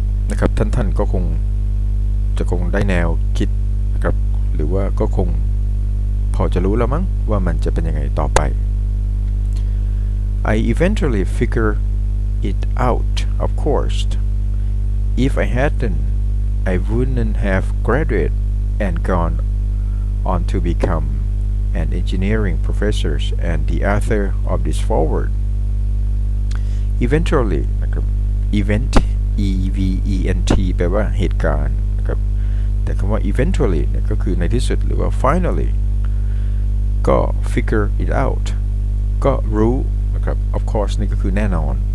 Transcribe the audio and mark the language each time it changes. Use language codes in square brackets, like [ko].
[th] นะครับท่านก็คงจะคงได้แนวคิดนะครับหรือว่าก็คงพอจะรู้แล้วมั้งว่ามันจะเป็นยังไงต่อไป [en] I eventually figure it out, of course. If I hadn't, I wouldn't have graduated and gone on to become an engineering professor and the author of this foreword. [th] Eventually, event, E-V-E-N-T, แปลว่าเหตุการณ์นะครับแต่คำว่า eventually เนี่ยก็คือในที่สุดหรือว่า finally ก็ [en] figure it out [th] ก็รู้นะครับ of course นี่ก็คือแน่นอน